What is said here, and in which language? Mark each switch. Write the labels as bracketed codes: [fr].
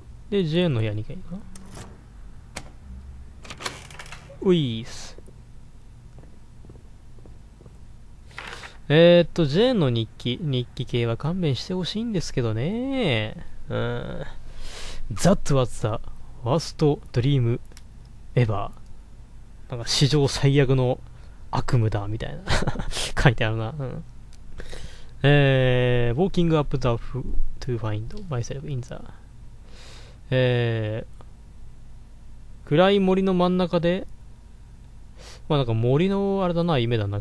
[ja] で、ジェーンの部屋に行けばいいかな。ウィース。ジェーンの日記系は勘弁してほしいんですけどね。 [en] That was the worst dream ever。 [ja] なんか史上最悪の悪夢だみたいな書いてあるな、うん。 [en] Walking up the floor to find myself in the、 [ja] 暗い森の真ん中で、まあなんか森のあれだな、夢だな。